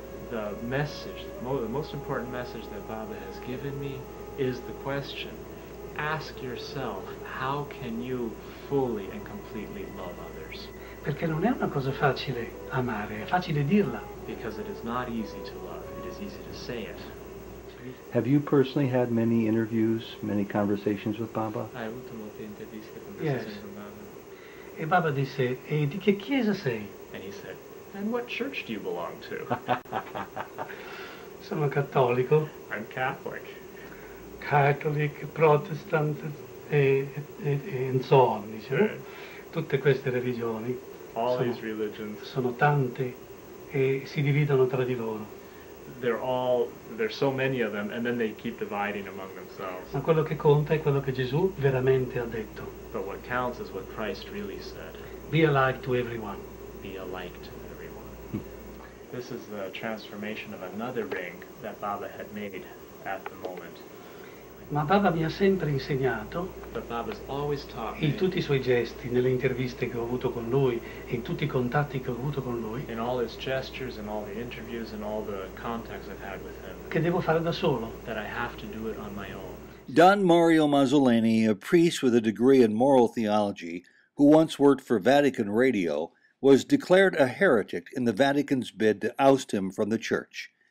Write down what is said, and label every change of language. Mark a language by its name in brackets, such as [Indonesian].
[English] The message, the most important message that Baba has given me is the question, ask yourself, how can you fully and completely love others? [Italian] Perché non è una cosa facile amare, è facile dirla. [English] Because it is not easy to love, it is easy to say it. Have you personally had many interviews, many conversations with Baba? [Italian] Hai avuto molte interviste, conversazioni con Baba. E Baba disse, e di che chiesa sei? [English] And he said, and what church do you belong to? [Italian] Sono cattolico. [English] I'm Catholic. Catholic, Protestant, and so on, dice. Right. [Italian] Tutte queste religioni. [English] All these religions. [Italian] Sono tante e si dividono tra di loro. [English] There's so many of them, and then they keep dividing among themselves. [Italian] Ma quello che conta è quello che Gesù veramente ha detto. [English] But what counts is what Christ really said. Be alike to everyone. Be alike to everyone. This is the transformation of another ring that Baba had made at the moment. [Italian] Ma Baba mi ha sempre insegnato. [English] But Baba's always taught me. [Italian] In tutti i suoi gesti, nelle interviste che ho avuto con lui, in tutti i contatti che ho avuto con lui. [English] In all his gestures, in all the interviews, in all the contacts I've had with him. [Italian] Che devo fare da solo. [English] That I have to do it on my own. Don Mario Mazzoleni, a priest with a degree in moral theology, who once worked for Vatican Radio, was declared a heretic in the Vatican's bid to oust him from the church.